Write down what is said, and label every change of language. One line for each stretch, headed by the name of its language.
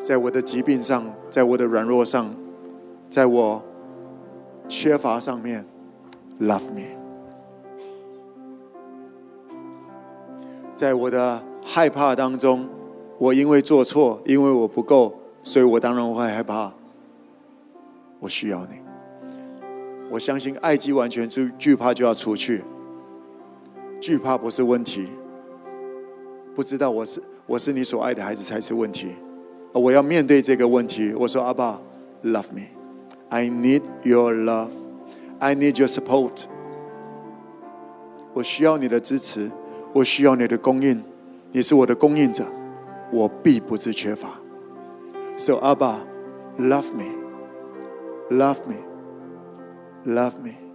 Chinese: 在我的疾病上，在我的软弱上，在我缺乏上面
English: love me，
Chinese: 在我的害怕当中，我因为做错，因为我不够，所以我当然会害怕，我需要你。我相信爱既完全，惧怕就要除去，惧怕不是问题，不知道我是你所爱的孩子才是问题，我要面对这个问题。我说阿爸
English: love meI need your love. I need your support.
Chinese: 我需要你的支持，我需要你的供应，你是我的供应者，我必不致缺乏。
English: So Abba, love me. Love me. Love me.